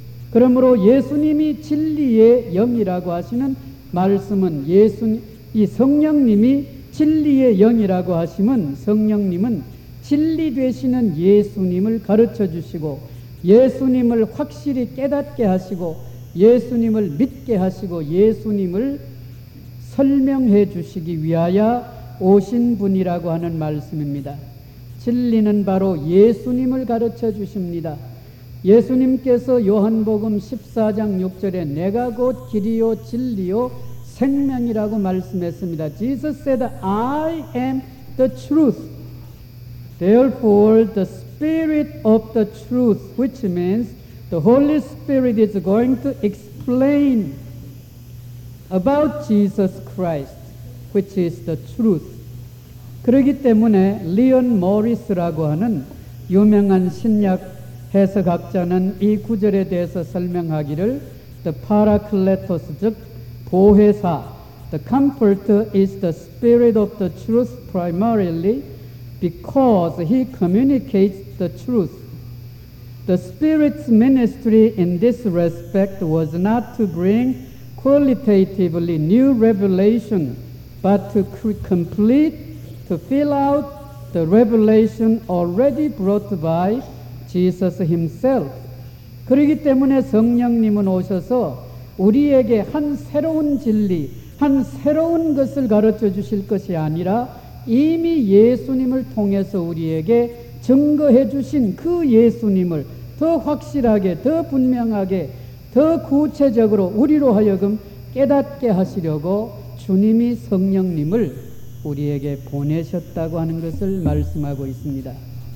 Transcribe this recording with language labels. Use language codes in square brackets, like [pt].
[ko] 그러므로 예수님이 진리의 영이라고 하시는 말씀은 이 성령님이 진리의 영이라고 하시면 성령님은 진리 되시는 예수님을 가르쳐 주시고 예수님을 확실히 깨닫게 하시고 예수님을 믿게 하시고 예수님을 설명해 주시기 위하여 오신 분이라고 하는 말씀입니다. 진리는 바로 예수님을 가르쳐 주십니다. 예수님께서 요한복음 14장 6절에 내가 곧 길이요 진리요 생명이라고 말씀했습니다. [en] Jesus said, I am the truth. Therefore, the spirit of the truth, which means the Holy Spirit is going to explain explain about Jesus Christ, which is the truth. [ko] 그러기 때문에 리언 모리스라고 하는 유명한 신약 해석학자는 이 구절에 대해서 설명하기를 [en] The Paracletos, [ko] 즉 보혜사, [en] The Comforter is the spirit of the truth primarily because he communicates the truth. The spirit's ministry in this respect was not to bring qualitatively new revelation, but to complete, to fill out the revelation already brought by Jesus himself. [ko] 그러기 때문에 성령님은 오셔서 우리에게 한 새로운 진리, 한 새로운 것을 가르쳐 주실 것이 아니라 이미 예수님을 통해서 우리에게 증거해 주신 그 예수님을 더 확실하게, 더 분명하게, 더 구체적으로 우리로 하여금 깨닫게 하시려고 주님이 성령님을 우리에게 보내셨다고 하는 것을 말씀하고 있습니다.